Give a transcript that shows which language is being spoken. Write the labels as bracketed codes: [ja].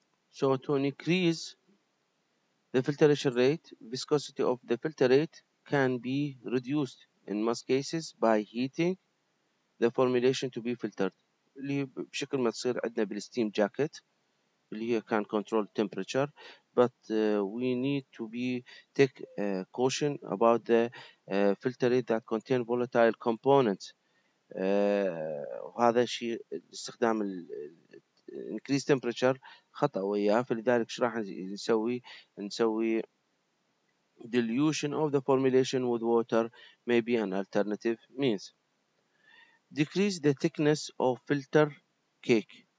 [en] So to increase the filtration rate, viscosity of the filtrate can be reduced in most cases by heating the formulation to be filtered. [ar] اللي بشكل ما تصير عندنا بالستيم جاكيت اللي هي [en] can control temperature. But we need to be take caution about the filtrate that contain volatile components. [ar] وهذا شيء استخدام ال increase temperature خطأ وياه. فلذلك شو راح نسوي؟ نسوي [en] dilution of the formulation with water may be an alternative means. Decrease the thickness of filter cake.